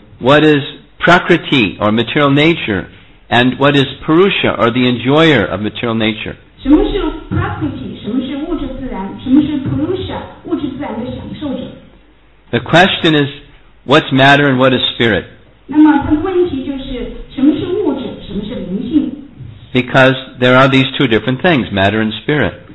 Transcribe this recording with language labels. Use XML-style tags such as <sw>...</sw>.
<en>What is prakriti, or material nature, and what is purusha, or the enjoyer of material nature?</en> <zh>什么是 prakriti， 什么是物质自然，什么是 purusha， 物质自然的享受者。</zh> <en>The question is, what's matter and what is spirit?</en> <zh>那么他的问题就是什么是物质，什么是灵性。</zh> <en>Because there are these two different things, matter and spirit.</en>